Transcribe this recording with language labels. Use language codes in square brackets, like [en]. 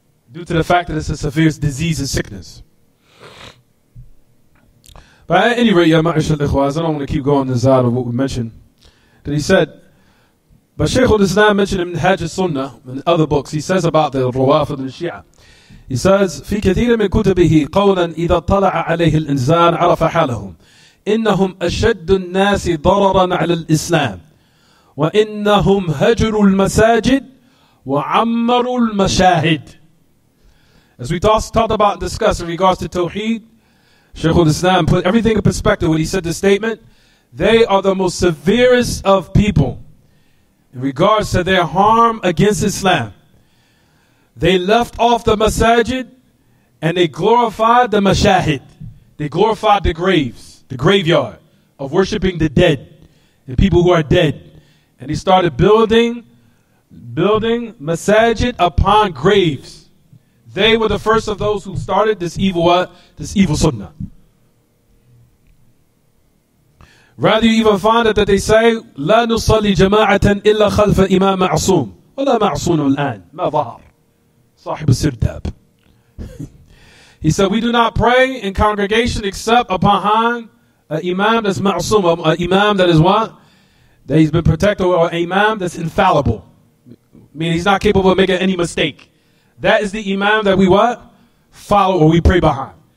[en] Due to the fact that it's a severe disease and sickness. But at any rate, [ar] ya ma'ashal ikhwaz, [en] I don't want to keep going inside of what we mentioned. That he said, but Shaykh al-Islam mentioned in Hajj al-Sunnah, in other books, he says about the Rawafid al-Shia. He says, [ar] في كثير من كتبه قولا إذا طلع عليه الإنسان عرف حاله إنهم أشد الناس ضررا على الإسلام وإنهم هجروا المساجد وعمروا المشاهد. [en] As we talked about and discussed in regards to Tawheed, Shaykh al-Islam put everything in perspective when he said the statement, they are the most severest of people in regards to their harm against Islam. They left off the masajid and they glorified the mashahid. They glorified the graves, the graveyard of worshiping the dead, the people who are dead. And they started building masajid upon graves. They were the first of those who started this evil sunnah. Rather, you even find it that they say, [ar] لا نصلي جماعة إلا خلف إمام معصوم ولا معصوم الآن ما ظهر صاحب السرداب. [en] He said, we do not pray in congregation except upon an imam that's ma'asum, an imam that is what? That he's been protected, or an imam that's infallible. I mean, he's not capable of making any mistake. That is the imam that we what? Follow, or we pray behind.